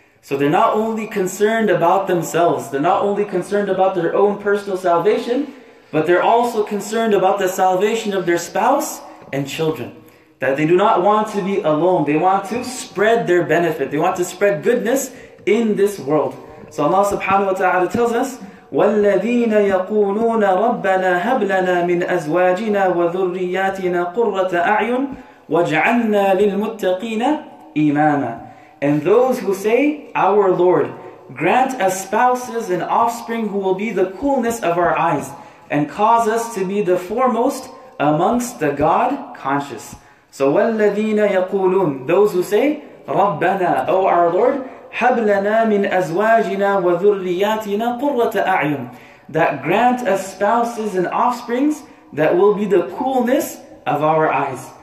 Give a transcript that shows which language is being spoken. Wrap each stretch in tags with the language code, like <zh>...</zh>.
<en>So they're not only concerned about themselves, they're not only concerned about their own personal salvation, but they're also concerned about the salvation of their spouse and children. That they do not want to be alone. They want to spread their benefit. They want to spread goodness in this world. So Allah subhanahu wa ta'ala tells us,</en> <ar>وَالَّذِينَ يَقُولُونَ رَبَّنَا هَبْ لَنَا مِنْ أَزْوَاجِنَا وَذُرِّيَّاتِنَا قُرَّةَ أَعْيُنٍ وَاجْعَلْنَا لِلْمُتَّقِينَ إِمَامًا.</ar> <en>And those who say, our Lord, grant us spouses and offspring who will be the coolness of our eyes and cause us to be the foremost amongst the God conscious. So</en> <ar>وَالَّذِينَ يَقُولُونَ,</ar> <en>those who say,</en> <ar>رَبَّنَا,</ar> <en>O our Lord,</en> <ar>هَبْ لَنَا مِنْ أَزْوَاجِنَا وَذُرِّيَّاتِنَا قُرَّةَ أَعْيُنٍ,</ar> <en>that grant us spouses and offsprings that will be the coolness of our eyes.</en>